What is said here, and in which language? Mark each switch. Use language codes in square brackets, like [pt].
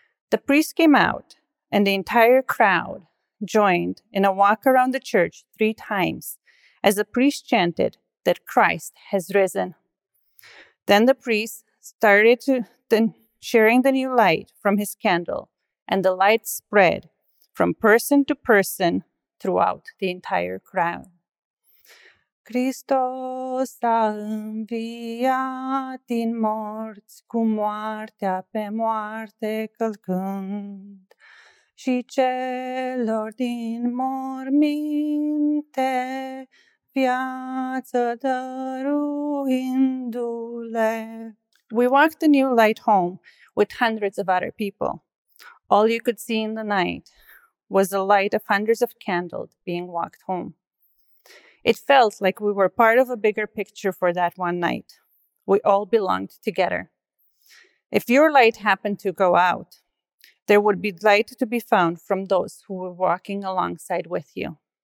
[en] The priest came out and the entire crowd joined in a walk around the church three times as the priest chanted that Christ has risen. Then the priest started sharing the new light from his candle, and the light spread from person to person throughout the entire crowd. [ro] Christos a înviat din morți cu moartea pe moarte călcând. Și celor din morminte, viață dăruindu-le. [en] We walked the new light home with hundreds of other people. All you could see in the night was the light of hundreds of candles being walked home. It felt like we were part of a bigger picture for that one night. We all belonged together. If your light happened to go out, there would be light to be found from those who were walking alongside with you.